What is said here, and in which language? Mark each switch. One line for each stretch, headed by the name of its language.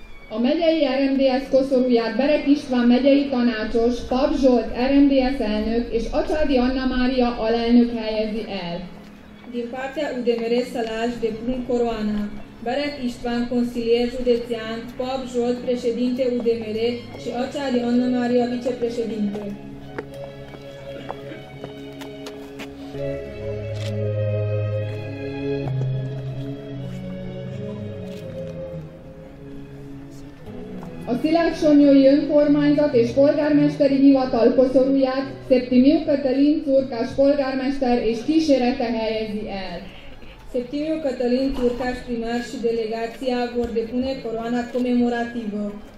Hungarian: A megyei RMDS koszorúját Berek István megyei tanácsos, Pap Zsolt RMDS elnök és Acsádi Anna Mária alelnök helyezi el.
Romanian: Din partea UDMR Szalás de Plum Coroana, Berek István konszilier județean, Pap Zsolt președinte UDMR și Acsádi Anna Mária vicepreședinte.
Hungarian: A Szilágysomlyói önkormányzat és polgármesteri hivatal koszorúját Septimiu Cătălin Țurcaș polgármester és kísérete helyezi el.
Romanian: Septimiu Cătălin Țurcaș primar și delegația vor depune coroana comemorativă.